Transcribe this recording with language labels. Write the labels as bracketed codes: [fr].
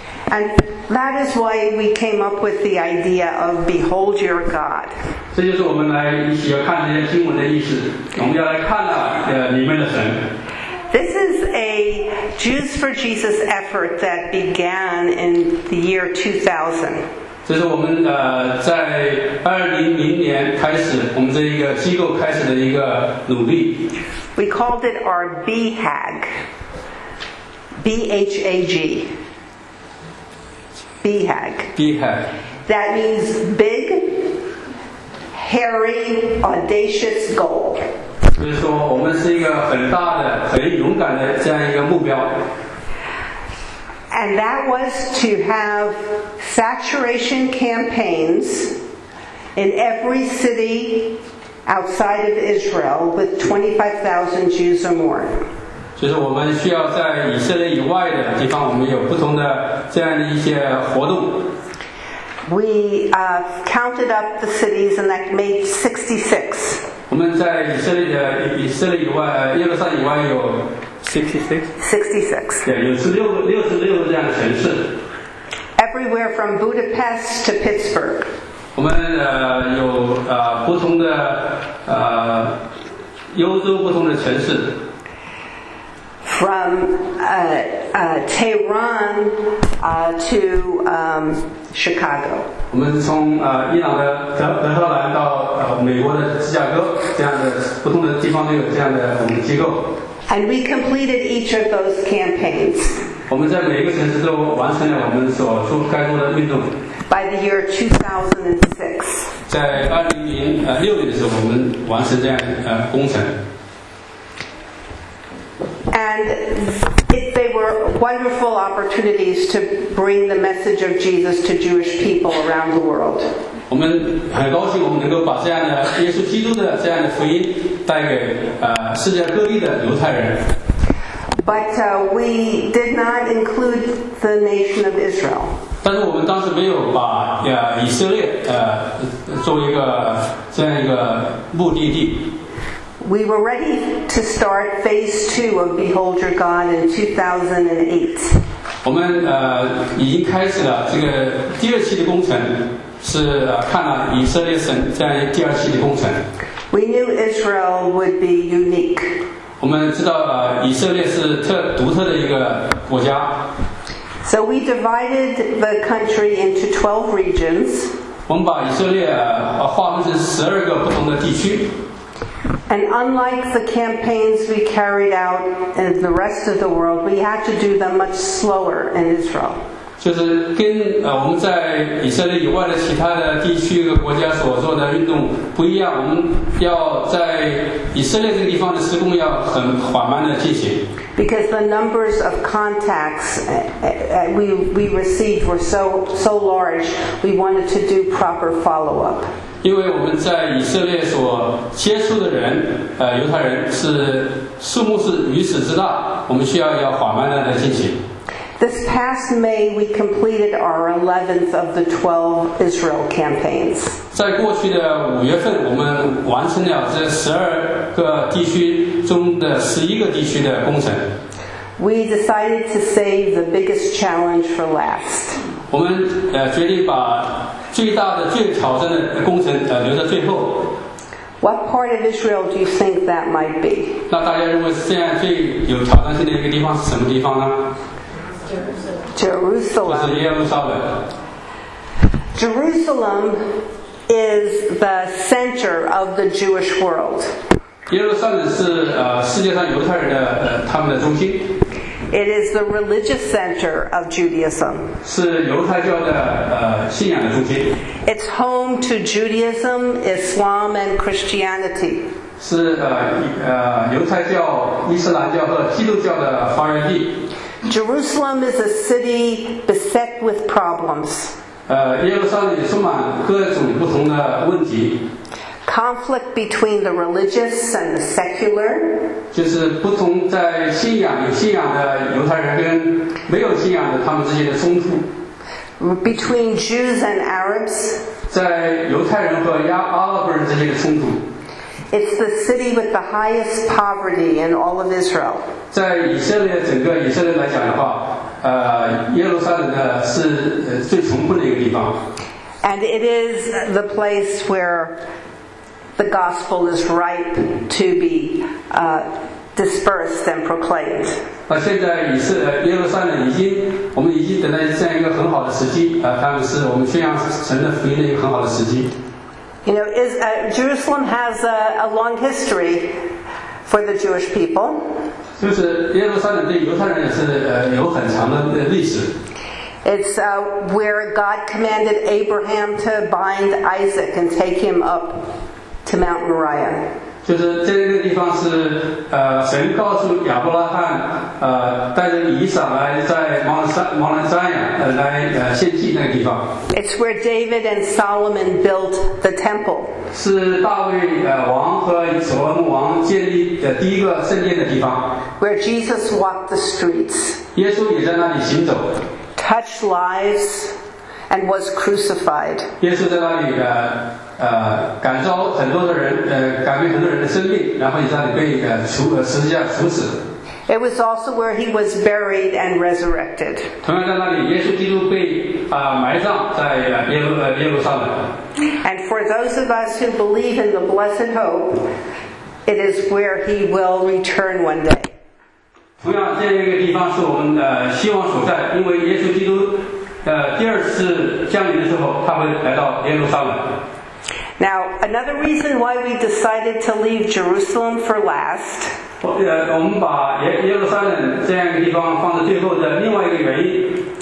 [en] And that is why we came up with the idea of behold your God. [zh] 这就是我们来要看这些经文的意思，我们要来看里面的神。 [en] This is a Jews for Jesus effort that began in the year 2000. [zh] 这是我们在2000年开始，我们这一个机构开始的一个努力。 [en] We called it our BHAG, B-H-A-G, BHAG. BHAG. That means big, hairy, audacious goal. [zh] 就是说，我们是一个很大的、很勇敢的这样一个目标。 [en] And that was to have saturation campaigns in every city outside of Israel with 25,000 Jews or more. [zh] 就是我们需要在以色列以外的地方，我们有不同的这样的一些活动。 [en] We counted up the cities, and that made 66. [zh] 我们在以色列以外，耶路撒冷以外有。 66 这样的城市 [en] Everywhere from Budapest to Pittsburgh [zh] 我们有不同的欧洲不同的城市 [en] From Tehran to Chicago [zh] 我们从伊朗的德黑兰到美国的芝加哥这样的不同的地方都有这样的我们机构 [en] And we completed each of those campaigns. [zh] 我们在每一个城市都完成了我们所做该做的运动。 [en] By the year 2006. [zh] 在2006年的时候，我们完成这样工程。 [en] And they were wonderful opportunities to bring the message of Jesus to Jewish people around the world. [zh] 我们很高兴我们能够把这样的耶稣基督的这样的福音。带给世界各地的犹太人。 [en] But we did not include the nation of Israel. [zh] 但是我们当时没有把以色列作为一个这样一个目的地。 [en] We were ready to start phase two of Behold Your God in 2008. [zh] 我们已经开始了这个第二期的工程，是看了以色列神这样第二期的工程。 [en] We knew Israel would be unique. [zh] 我们知道以色列是独特的一个国家。 [en] So we divided the country into 12 regions. [zh] 我们把以色列划分成12个不同的地区。 [en] And unlike the campaigns we carried out in the rest of the world, we had to do them much slower in Israel. [zh] 就是跟我们在以色列以外的其他的地区和国家所做的运动不一样，我们要在以色列这个地方的施工要很缓慢的进行。 [en] Because the numbers of contacts we received were so large, we wanted to do proper follow up. [zh] 因为我们在以色列所接触的人，犹太人是数目是如此之大，我们需要缓慢的进行。 [en] This past May, we completed our 11th of the 12 Israel campaigns. [zh] 在过去的五月份，我们完成了这十二个地区中的十一个地区的工程。 [en] We decided to save the biggest challenge for last. [zh] 我们决定把最大的、最挑战的工程留在最后。 [en] What part of Israel do you think that might be? [zh] 那大家认为现在最有挑战性的一个地方是什么地方呢？ [en] Jerusalem. [zh] 或是耶路撒冷。 [en] Jerusalem is the center of the Jewish world. [zh] 耶路撒冷是世界上犹太人的他们的中心。 [en] It is the religious center of Judaism. [zh] 是犹太教的信仰的中心。 [en] It's home to Judaism, Islam, and Christianity. [zh] 是犹太教、伊斯兰教和基督教的发源地。 [en] Jerusalem is a city beset with problems. [zh] 耶路撒冷充满各种不同的问题。 [en] Conflict between the religious and the secular. [zh] 就是不同在信仰有信仰的犹太人跟没有信仰的他们之间的冲突。 [en] Between Jews and Arabs. [zh] 在犹太人和阿拉伯人之间的冲突。 [en] It's the city with the highest poverty in all of Israel. [zh] 在以色列整个以色列来讲的话，耶路撒冷是最穷困的一个地方。 [en] And it is the place where the gospel is ripe to be dispersed and proclaimed. [zh] 现在以色列耶路撒冷已经我们已经等待这样一个很好的时机他们是我们宣扬神的福音的一个很好的时机。 [en] You know, Jerusalem has a long history for the Jewish people. [zh] 就是耶路撒冷对犹太人也是有很长的历史。 [en] It's where God commanded Abraham to bind Isaac and take him up to Mount Moriah. [zh] 就是这个地方是神告诉亚伯拉罕带着以撒来在摩兰山来献祭那个地方。 [en] It's where David and Solomon built the temple. [zh] 是大卫王和所罗门王建立的第一个圣殿的地方。 [en] Where Jesus walked the streets. [zh] 耶稣也在那里行走。 [en] Touched lives and was crucified. [zh] 耶稣在那里感召很多的人改变很多人的生命然后也在里被十字架处死 [en] It was also where he was buried and resurrected [zh] 同样在那里耶稣基督被埋葬在耶路撒冷 [en] And for those of us who believe in the blessed hope it is where he will return one day [zh] 同样这样一个地方是我们的希望所在因为耶稣基督第二次降临的时候他会来到耶路撒冷 [en] Now, another reason why we decided to leave Jerusalem for last. [zh] 我们把耶路撒冷这样一个地方放在最后的另外一个原因。